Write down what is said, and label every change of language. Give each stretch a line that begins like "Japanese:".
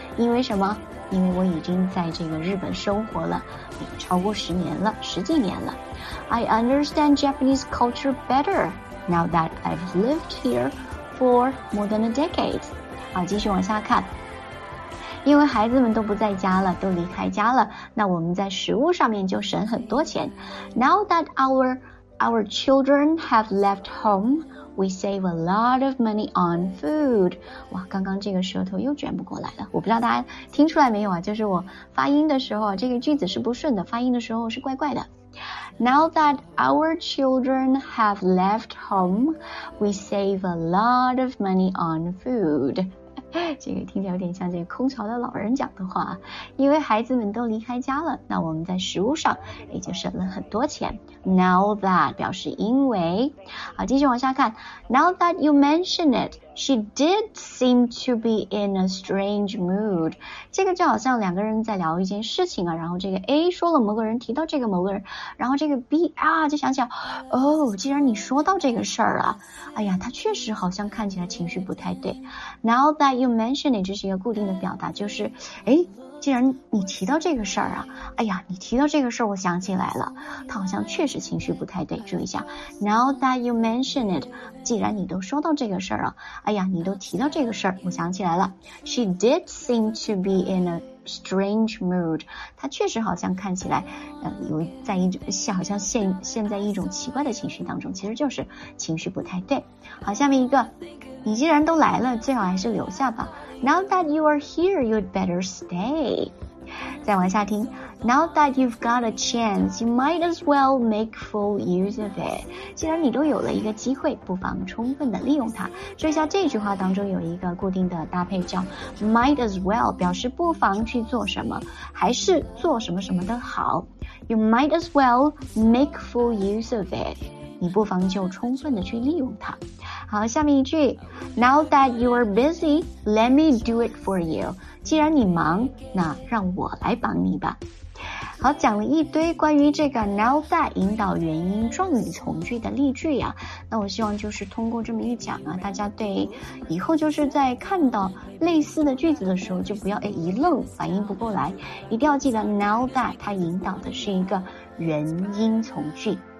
Chinese: 因为什么？因为我已经在这个日本生活了超过十年了，十几年了。
English: I understand Japanese culture better now that I've lived here for more than a decade.
Chinese: 好，继续往下看。因为孩子们都不在家了，都离开家了，那我们在食物上面就省很多钱。
English: Now that our children have left home, we save a lot of money on food.
Chinese: 哇，刚刚这个舌头又卷不过来了，我不知道大家听出来没有啊，就是我发音的时候这个句子是不顺的，发音的时候是怪怪的。
English: Now that our children have left home, we save a lot of money on food.
Chinese: 这个听起来有点像这个空巢的老人讲的话，因为孩子们都离开家了，那我们在食物上也就省了很多钱。
English: Now that
Chinese: 表示因为。好，继续往下看。
English: Now that you mention it, she did seem to be in a strange mood.
Chinese: 这个就好像两个人在聊一件事情啊，然后这个 A 说了某个人，提到这个某个人，然后这个 B 啊就想起来，哦，既然你说到这个事儿了，哎呀，他确实好像看起来情绪不太对。
English: Now that you mention it
Chinese: 这是一个固定的表达，就是哎，既然你提到这个事儿啊，哎呀，你提到这个事儿，我想起来了，他好像确实情绪不太对，注意一下。
English: Now that you mention it，
Chinese: 既然你都说到这个事儿了，哎呀，你都提到这个事儿，我想起来了。
English: She did seem to be in a strange mood，
Chinese: 她确实好像看起来，有在一种好像陷在一种奇怪的情绪当中，其实就是情绪不太对。好，下面一个，你既然都来了，最好还是留下吧。
English: Now that you are here, you'd better stay.
Chinese: 再往下听。
English: Now that you've got a chance, you might as well make full use of it.
Chinese: 既然你都有了一个机会，不妨充分的利用它。注意下这句话当中有一个固定的搭配叫
English: might as well，
Chinese: 表示不妨去做什么，还是做什么什么的好。
English: You might as well make full use of it.
Chinese: 你不妨就充分的去利用它。好，下面一句
English: Now that you are busy, let me do it for you.
Chinese: 既然你忙，那让我来帮你吧。好，讲了一堆关于这个
English: Now that
Chinese: 引导原因状语从句的例句呀，那我希望就是通过这么一讲啊，大家对以后就是在看到类似的句子的时候就不要一愣反应不过来，一定要记得 Now that 它引导的是一个原因从句。